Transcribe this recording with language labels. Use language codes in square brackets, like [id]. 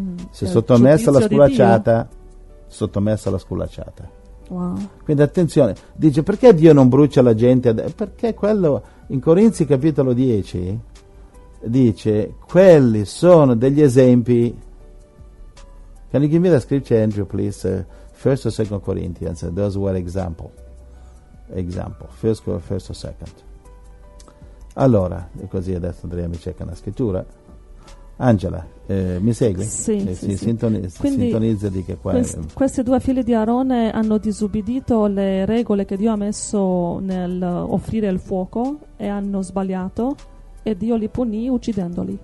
[it] Si è sottomessa alla sculacciata. Sottomessa alla sculacciata. Wow. Quindi attenzione, dice, perché Dio non brucia la gente? Perché quello, in Corinzi capitolo 10, dice, quelli sono degli esempi. [en] Can you give me the scripture, Andrew, please? First or second Corinthians, those were example, first or second. [it] Allora, così adesso Andrea mi cerca una scrittura. Angela, mi segui? Sintonizza di che qua. Questi due figli di Aronne hanno disubbidito le regole che Dio ha messo nel offrire il fuoco e hanno sbagliato e Dio li punì uccidendoli.